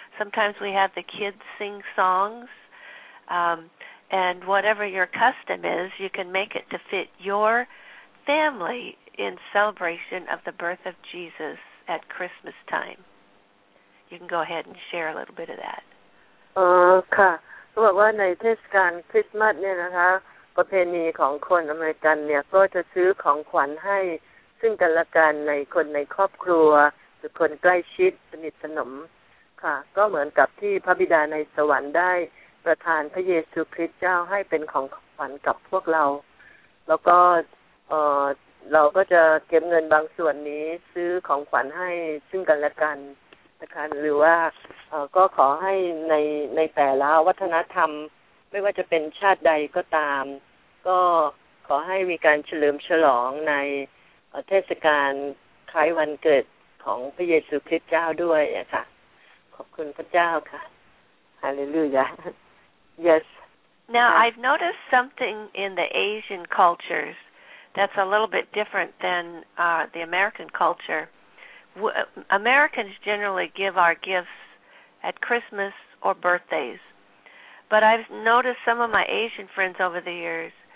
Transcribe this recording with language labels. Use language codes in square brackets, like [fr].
[en] Sometimes we have the kids sing songs. And whatever your custom is, you can make it to fit your family in celebration of the birth of Jesus at Christmas time. You can go ahead and share a little bit of that. Okay. What was my question? Christmas, you know, huh? [th] ประเพณีของคนอเมริกันเนี่ยก็จะซื้อของขวัญให้ซึ่งกันและกันในคนในครอบครัวหรือคนใกล้ชิดสนิทสนมค่ะก็เหมือนกับที่พระบิดาในสวรรค์ได้ประทานพระเยซูคริสต์เจ้าให้เป็นของขวัญกับพวกเราแล้วก็ เราก็จะเก็บเงินบางส่วนนี้ซื้อของขวัญให้ซึ่งกันและกันนะคะหรือว่าก็ขอให้ในแต่ละวัฒนธรรมไม่ว่าจะเป็นชาติใดก็ตามก็ขอให้มีการเฉลิมฉลองในเทศกาลคล้ายวันเกิดของพระเยซูคริสต์เจ้าด้วยอ่ะค่ะขอบคุณพระเจ้าค่ะฮาเลลูยา [en] Yes Now I've noticed something in the Asian cultures that's a little bit different than the American culture. Americans generally give our gifts at Christmas or birthdays. But I've noticed some of my Asian friends over the years